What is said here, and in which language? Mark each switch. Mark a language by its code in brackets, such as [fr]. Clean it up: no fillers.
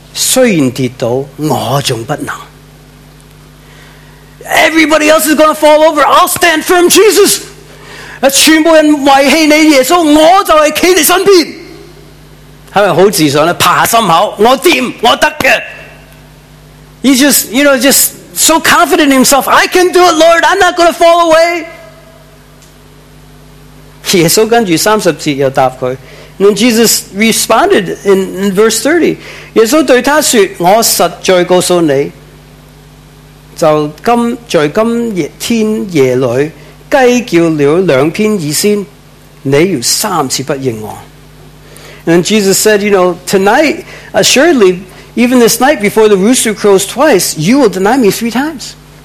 [zh] 他说,众人虽然跌倒,我还不能。 [en] Everybody else is going to fall over, I'll stand firm, Jesus! [zh] 全部人遗弃你耶稣,我就是站在身边! 他们很自信,爬心口,我行,我行的。 [en] He's just, you know, just so confident in himself. I can do it, Lord. I'm not going to fall away. [zh] 耶稣根据30节又答他。 [en] Then Jesus responded in verse 30. [zh] 耶稣对他说，我实在告诉你，就今在今夜天夜里，鸡叫了2遍以先，你要3次不认我。 [en] And then Jesus said, you know, tonight, assuredly, even this night before the rooster crows twice, you will deny me 3 times.